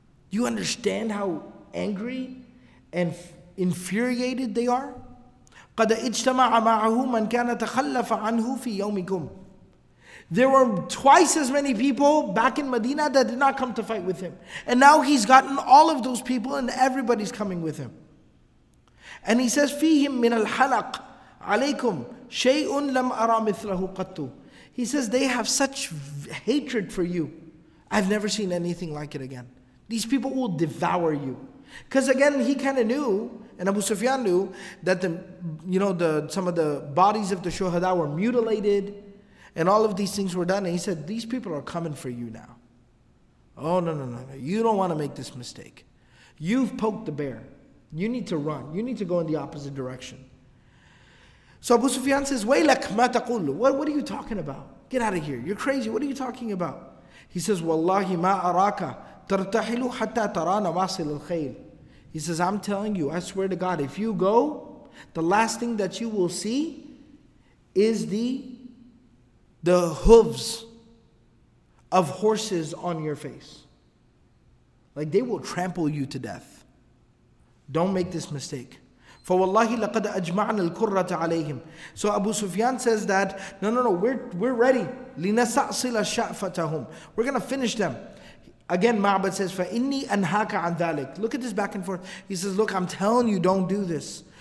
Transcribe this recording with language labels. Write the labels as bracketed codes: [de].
[en] You understand how angry and infuriated they are? [ar] قَدَ اِجْتَمَعَ مَعَهُ مَنْ كَانَ تَخَلَّفَ عَنْهُ فِي يَوْمِكُمْ. [en] There were twice as many people back in Medina that did not come to fight with him. And now he's gotten all of those people and everybody's coming with him. And he says, [ar] فِيهِمْ مِنَ الْحَلَقْ عَلَيْكُمْ شَيْءٌ لَمْ أَرَى مِثْلَهُ قَطُّ. [en] He says, they have such hatred for you. I've never seen anything like it again. These people will devour you. Because again, he kind of knew, and Abu Sufyan knew, that some of the bodies of the shuhada were mutilated, and all of these things were done. And he said, these people are coming for you now. Oh, no. You don't want to make this mistake. You've poked the bear. You need to run. You need to go in the opposite direction. So Abu Sufyan says, [ar] وَيْلَكْ مَا تَقُولُ. [en] What are you talking about? Get out of here. You're crazy. What are you talking about? He says, [ar] وَاللَّهِ مَا أَرَاكَ تَرْتَحِلُ حَتَّى تَرَى نَوَاصِلُ الْخَيْلِ. [en] He says, I'm telling you, I swear to God, if you go, the last thing that you will see is the hooves of horses on your face. Like they will trample you to death. Don't make this mistake. [ar] فَوَاللَّهِ لَقَدْ أَجْمَعْنَا الْكُرَّةَ عَلَيْهِمْ. [en] So Abu Sufyan says that, no, we're ready. [ar] لِنَسَأْصِلَ شَأْفَتَهُمْ. [en] We're going to finish them. Again, Ma'bad says, [ar] فَإِنِّي أَنْهَاكَ عَنْ ذَلِكَ. [en] Look at this back and forth. He says, look, I'm telling you, don't do this.